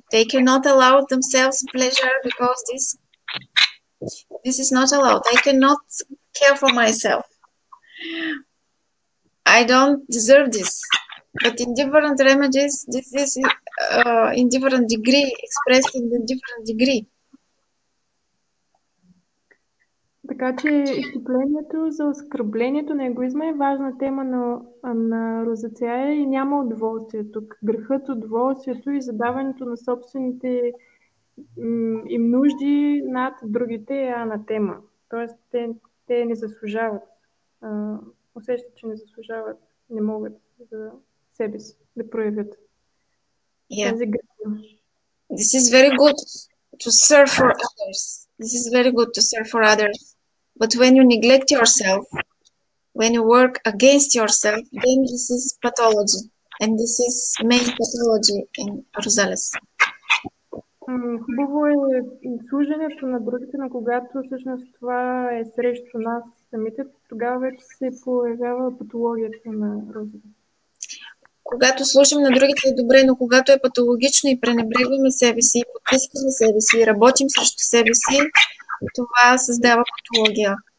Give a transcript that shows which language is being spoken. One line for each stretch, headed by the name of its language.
English: They cannot allow themselves pleasure because this is not allowed. I cannot care for myself. I don't deserve this. But in different remedies, this is in different degree, expressed in a different degree.
Bulgarian: Така че изкуплението за оскърблението на егоизма е важна тема на Розацея и няма удоволствие тук. Грехът, удоволствието и задаването на собствените им нужди над другите е анатема. Тоест те не заслужават. Усещат, че не заслужават, не могат за себе си да проявят тази грехът.
English: This is very good to serve for others. This is very good to serve for others. But when you neglect yourself, when you work against yourself, then this is pathology. And this is main pathology in Rosales.
Bulgarian: Хубаво е служението на другите, но когато всъщност това е срещу нас самите, тогава вече се появява патологията на Розалес. Когато служим на другите е добре, но когато е патологично и пренебрегваме себе си, потискаме себе си и работим срещу себе си, това създава патология.